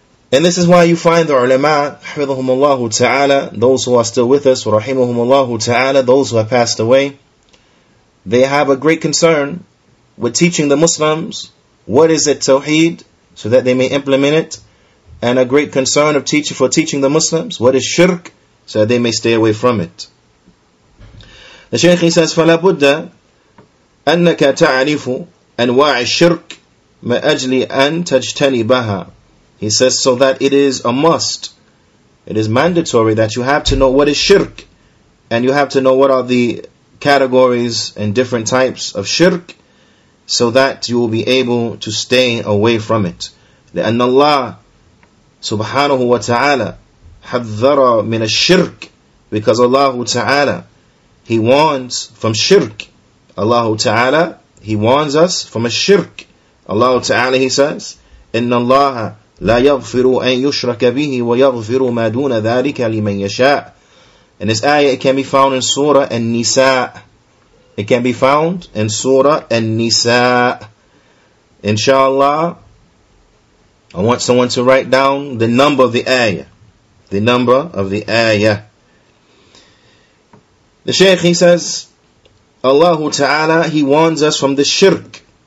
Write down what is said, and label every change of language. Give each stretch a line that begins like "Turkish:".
English: And this is why you find the ulama,
Arabic: حفظهم الله تعالى,
English: those who are still with us,
Arabic: ورحمهم الله تعالى,
English: those who have passed away, they have a great concern with teaching the Muslims what is a tawheed, so that they may implement it, and a great concern of teaching the Muslims what is shirk, so that they may stay away from it. The Shaykh says,
Arabic: فَلَا بُدَّ أَنَّكَ تَعْرِفُ أَنْوَاعِ الشِّرْكِ مَأَجْلِ أَنْ تَجْتَنِبَهَا.
English: He says, so that it is a must, it is mandatory that you have to know what is shirk, and you have to know what are the categories and different types of shirk, so that you will be able to stay away from it.
Arabic: لأن الله سبحانه وتعالى حذر من الشرك,
English: because Allah تعالى, He warns from shirk. Allah تعالى, He warns us from a shirk. Allah تعالى, He says,
Arabic: إن الله لا يغفر أن يشرك به ويغفر ما دون ذلك لمن يشاء.
English: In this ayah, it can be found in Surah An-Nisa. It can be found in Surah An-Nisa. Inshallah, I want someone to write down the number of the ayah. The number of the ayah. The Shaykh, he says, Allah Ta'ala, He warns us from the shirk.